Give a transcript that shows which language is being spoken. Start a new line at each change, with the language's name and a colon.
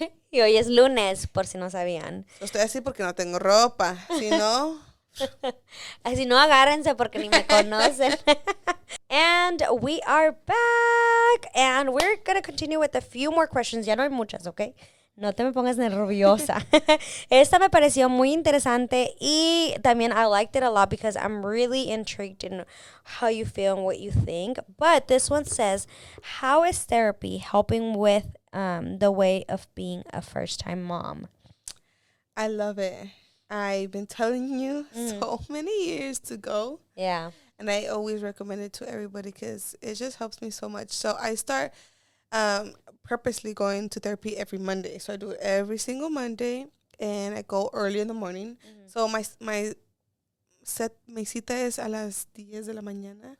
Spanish: Y hoy es lunes, por si no sabían. Estoy así porque no tengo ropa, si no... Así no agárrense porque ni me conocen.
English: And we are back. And we're going to continue with a few more questions. Ya no hay muchas, okay?
Spanish: No te me pongas nerviosa. Esta me pareció muy interesante.
English: Y también I liked it a lot because I'm really intrigued in how you feel and what you think. But this one says, how is therapy helping with the way of being a first-time mom? I love it. I've been telling you so many years to go. Yeah. And I always recommend it to everybody because it just helps me so much. So I start purposely going to therapy every Monday. So I do it every single Monday, and I go early in the morning. Mm-hmm.
Spanish: So my set, my cita es a las 10 de la mañana.